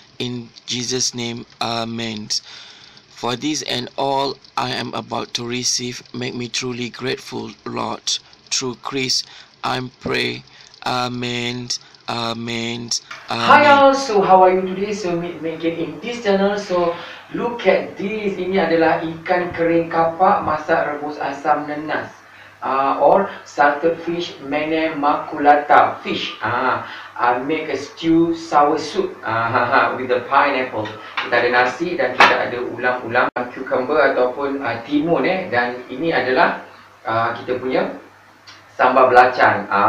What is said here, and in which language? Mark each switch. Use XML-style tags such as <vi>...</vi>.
<en>In Jesus' name, Amen. For this and all I am about to receive, make me truly grateful, Lord. Through Christ, I pray. Amen. Amen. Hi all, so how are you today? So meet in this channel. So look at this.</en> <ms>Ini adalah ikan kering kapak masak rebus asam nenas.</ms> <en>Or salted fish mene makulata fish. I make a stew sour soup with the pineapple.</en> <ms>Kita ada nasi dan kita ada ulam-ulam, cucumber ataupun timun dan ini adalah kita punya sambal belacan.</ms>